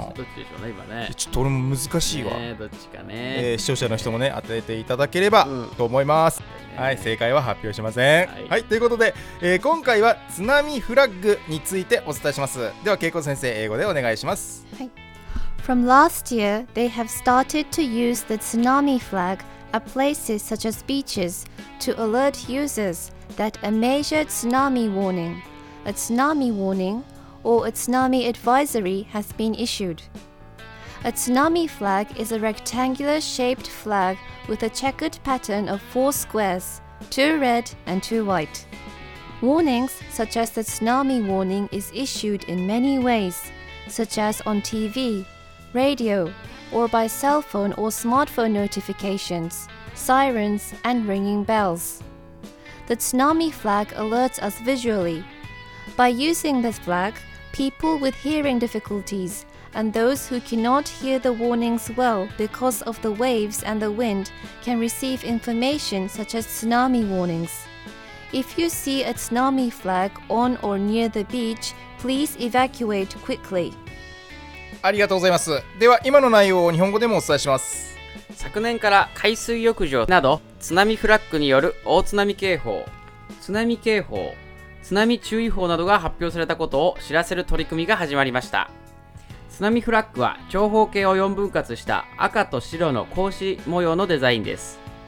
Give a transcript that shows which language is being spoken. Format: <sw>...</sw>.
<ja>どっちでしょうね今ね。ちょっと俺も難しいわ、ね、どっちかね、視聴者の人もね当てていただければと思います、うん、はい、正解は発表しません。はい、はい、ということで、今回は津波フラッグについてお伝えします。では恵子先生、英語でお願いします。はい。</ja> <en>From last year, they have started to use the tsunami flag at places such as beaches to alert users that a major tsunami warning, a tsunami warning, or a tsunami advisory has been issued. A tsunami flag is a rectangular-shaped flag with a checkered pattern of four squares, two red and two white. Warnings such as the tsunami warning is issued in many ways, such as on TV,radio, or by cell phone or smartphone notifications, sirens, and ringing bells. The tsunami flag alerts us visually. By using this flag, people with hearing difficulties and those who cannot hear the warnings well because of the waves and the wind can receive information such as tsunami warnings. If you see a tsunami flag on or near the beach, please evacuate quickly.</en> <ja>ありがとうございます。では今の内容を日本語でもお伝えします。昨年から海水浴場など津波フラッグによる大津波警報、津波警報、津波注意報などが発表されたことを知らせる取り組みが始まりました。津波フラッグは長方形を4分割した赤と白の格子模様のデザインです。</ja>